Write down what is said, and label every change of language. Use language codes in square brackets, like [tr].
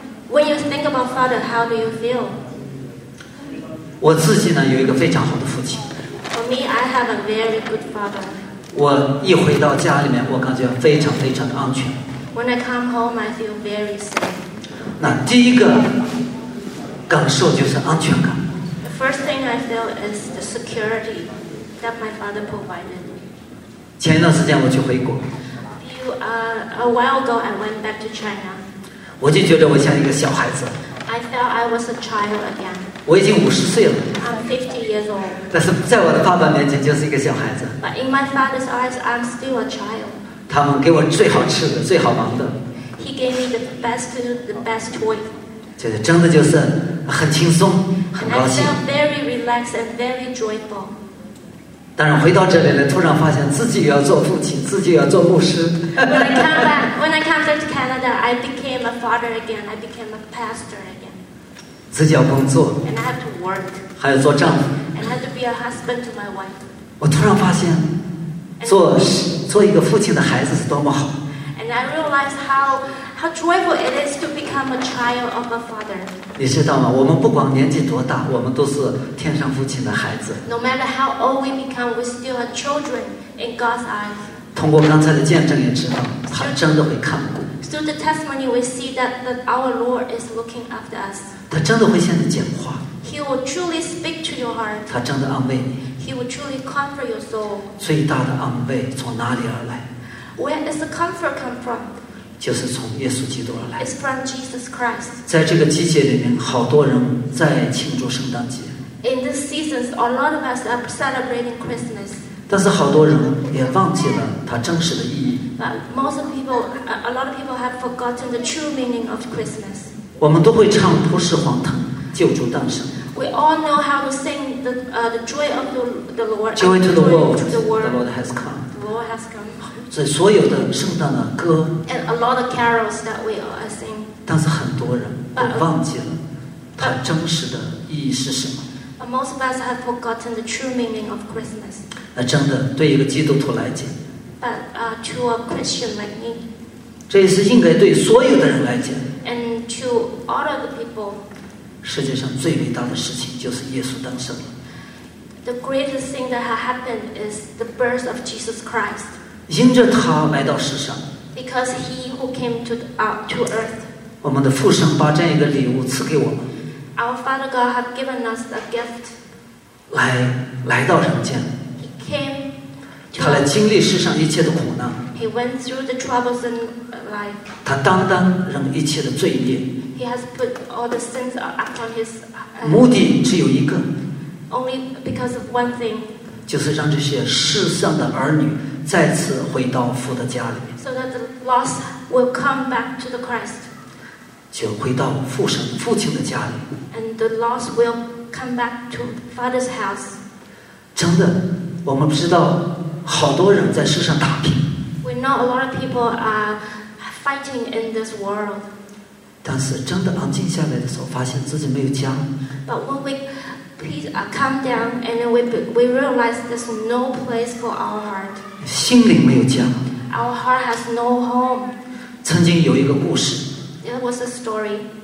[en] When you think about father, how do you feel? [zh] 我自己呢有一个非常好的父亲。 [en] For me, I have a very good father. [zh] 我一回到家里面，我感觉非常非常的安全。 [en] When I come home, I feel very safe. [zh] 那第一个感受就是安全感。 [en] The first thing I feel is the security that my father provided. [zh] 前一段时间我去回国。 [en] A while ago, I went back to China. [zh] 我就觉得我像一个小孩子。 [en] I felt I was a child again. [zh] 我已经50岁了。 [en] I'm 50 years old. [zh] 但是在我的爸爸面前就是一个小孩子。 [en] But in my father's eyes, I'm still a child. [zh] 他们给我最好吃的，最好玩的。 [en] He gave me the best food, the best toy. [zh] 就是真的就是很轻松，很高兴。 [en] I felt very relaxed and very joyful. [zh] 但是回到这里来，突然发现自己也要做父亲，自己也要做牧师。 [en] When I come back to Canada, I became a father again. I became a pastor again. [zh] 自己要工作。 [en] And I have to work. [zh] 还要做丈夫。 [en] And I have to be a husband to my wife. [zh] 我突然发现，做一个父亲的孩子是多么好。 [en] And I realized how joyful it is to become a child of a father. [zh] 你知道吗？我们不管年纪多大，我们都是天上父亲的孩子。 [en] No matter how old we become, we still are children in God's eyes. [zh] 通过刚才的见证也知道，他真的会看顾。 [en] Through the testimony, we see that our Lord is looking after us. [zh] 他真的会向你讲话。 [en] He will truly speak to your heart. [zh] 他真的安慰你。 [en] He will truly comfort your soul. [zh] 最大的安慰从哪里而来 [en] ？Where does the comfort come from? [zh] 就是从耶稣基督而来。 [en] It's from Jesus Christ. [zh] 在这个季节里面，好多人在庆祝圣诞节。 [en] In this season, a lot of us are celebrating Christmas. [zh] 但是好多人也忘记了它真实的意义。 [en] But most people, a lot of people have forgotten the true meaning of Christmas. [zh] 我们都会唱《普世欢腾》，救主诞生。 [en] We all know how to sing the joy of the Lord. Joy to the world, the Lord has come. The Lord has come. [zh] 所以所有的圣诞的歌 [en] and a lot of carols that we all sing, [zh] 但是很多人都忘记了它真实的意义是什么。 [en] But most of us have forgotten the true meaning of Christmas. [zh] 那真的对一个基督徒来讲 [en] But to a Christian like me, [zh] 这也是应该对所有的人来讲 [en] and to all of the people, [zh] 世界上最伟大的事情就是耶稣诞生了。 [en] The greatest thing that has happened is the birth of Jesus Christ. [zh] 因着他来到世上 [en] ，Because he who came to earth， [zh] 我们的父神把这样一个礼物赐给我们 [en] ，Our Father God have given us a gift， [zh] 来到人间 [en] ，He came， [zh] 他来经历世上一切的苦难 [en] ，He went through the troubles in life， [zh] 他担当人一切的罪孽 [en] ，He has put all the sins upon his， [zh] 目的只有一个 [en] ，Only because of one thing， [zh] 就是让这些世上的儿女。再次回到父的家里面 [en] ，so that the lost will come back to the Christ， [zh] 就回到父神父亲的家里 [en] ，and the lost will come back to Father's house。 [zh] 真的，我们不知道好多人在世上打拼 [en] ，we know a lot of people are fighting in this world。 [zh] 但是真的安静下来的时候，发现自己没有家 [en] ，but when we please calm down and we realize there's no place for our heart。 [zh] 心灵没有家。 [en] Our heart has no home. [zh] 曾经有一个故事。 [en] There was a story.